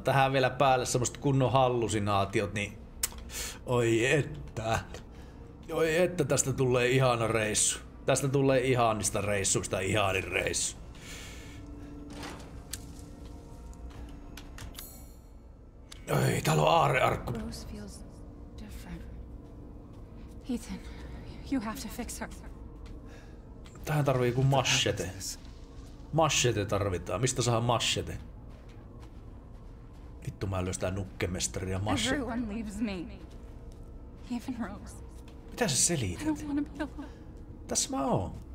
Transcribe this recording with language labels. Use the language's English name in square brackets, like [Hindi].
[Finnish] Tähän vielä päälle semmoset kunnon hallusinaatiot, niin... Oi että. Oi että, tästä tulee ihana reissu. Tästä tulee ihanista reissuista ihanin reissu. Ei, täällä on aarrearkku. [English] Rose feels different. Ethan, you have to fix her. [Finnish] Tähän tarvii joku machete. Machete tarvitaan. Mistä saa machete? Vittu, mä löysin tää nukkemestari ja machete. [English] Everyone leaves me. Even Rose. [Finnish] Mitä sä selität? [English] I don't wanna be alone. [Finnish] Tässä mä oon.